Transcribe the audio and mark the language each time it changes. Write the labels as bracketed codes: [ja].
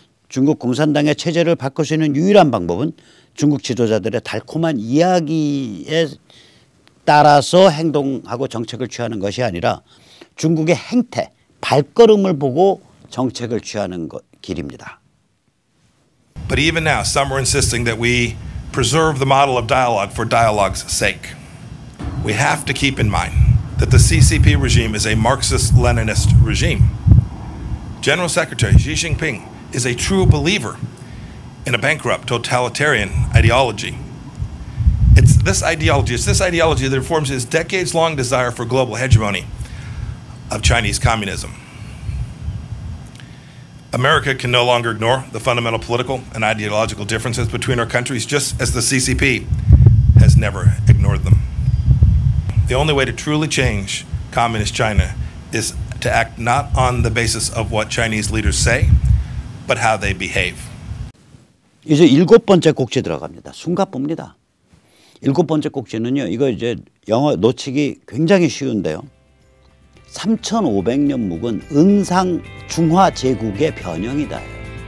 [ko] 중국 공산당의 체제를 바꿀 수 있는 유일한 방법은 중국 지도자들의 달콤한 이야기에 따라서 행동하고 정책을 취하는 것이 아니라 중국의 행태, 발걸음을 보고 정책을 취하는 것, 길입니다. [en] But even now, some are insisting that we preserve the model of dialogue for dialogue's sake. We have to keep in mind that the CCP regime is a Marxist-Leninist regime. General Secretary Xi Jinping is a true believer in a bankrupt totalitarian ideology. It's this ideology that informs his decades-long desire for global hegemony of Chinese communism. America can no longer ignore the fundamental political and ideological differences between our countries, just as the CCP has never ignored them. The only way to truly change communist China is to act not on the basis of what Chinese leaders say, but how they behave. [ko] 이제 일곱 번째 꼭지 들어갑니다. 숨가쁩니다. 일곱 번째 꼭지는요. 이거 이제 영어 놓치기 굉장히 쉬운데요. 3,500년 묵은 은상 중화 제국의 변형이다.